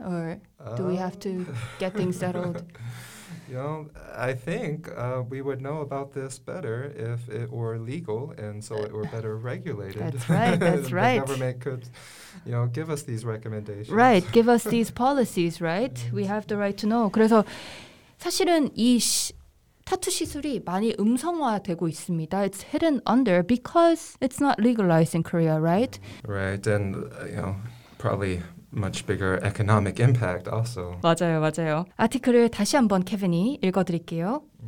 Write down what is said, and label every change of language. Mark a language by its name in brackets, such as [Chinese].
[English] Or do we have to get things settled? You know, I think we would know about this better if it were legal and so it were better regulated. That's right. The government could, you know, give us these recommendations. Right, give us these policies, right? We have the right to know. [Korean] 그래서 사실은 이 타투 시술이 많이 음성화되고 있습니다. [English] It's hidden under because it's not legalized in Korea, right? Right, and, you know, probably much bigger economic impact also. [Korean] 맞아요, 맞아요. 아티클을 다시 한번 케빈이 읽어드릴게요.